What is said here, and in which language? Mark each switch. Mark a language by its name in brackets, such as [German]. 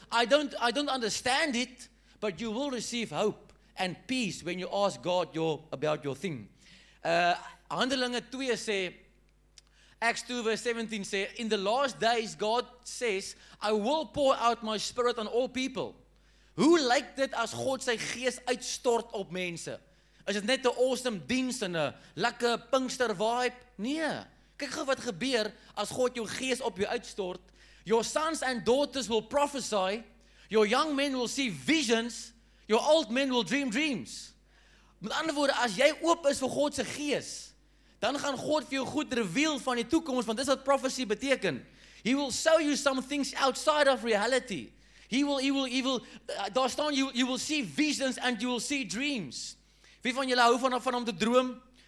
[English] I don't understand it, but you will receive hope and peace when you ask God about your thing. [Afrikaans] Handelinge 2 sê, [English] Acts 2 verse 17 say, in the last days, God says, I will pour out my spirit on all people. [Afrikaans] Hoe lyk dit as God sy gees uitstort op mense? Is dit net 'n awesome diens en 'n lekker Pinkster vibe? Nee. Kyk gou wat gebeur as God jou gees op jou uitstort. [English] Your sons and daughters will prophesy. Your young men will see visions. Your old men will dream dreams. [Afrikaans] Met ander woorde, as jy oop is vir God se gees, dan gaan God vir jou goed reveal van die toekoms, want dis wat prophecy beteken. [English] He will show you some things outside of reality. [Afrikaans] Daar staan, [English] you will see visions and you will see dreams. [Afrikaans] Wie van julle hou van om te droom?